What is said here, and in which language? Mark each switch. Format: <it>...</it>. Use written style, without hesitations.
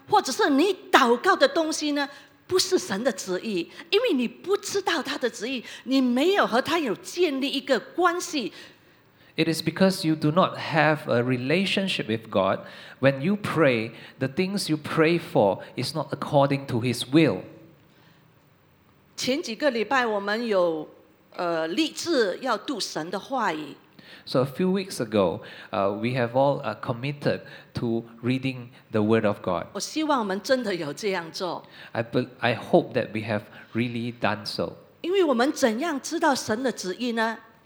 <zh>所以你祷告的事项呢，或者是你祷告的东西呢， 不是神的旨意，因为你不知道他的旨意，你没有和他有建立一个关系。</zh> <en>It is because you do not have a relationship with God. When you pray, the things you pray for is not according to His will.</en> <zh>前几个礼拜我们有 立志要读神的话语。</zh> <en>So a few weeks ago, we have all committed to reading the Word of God. I hope that we have really done so.</en> <zh>因为我们怎样知道神的旨意呢?</zh>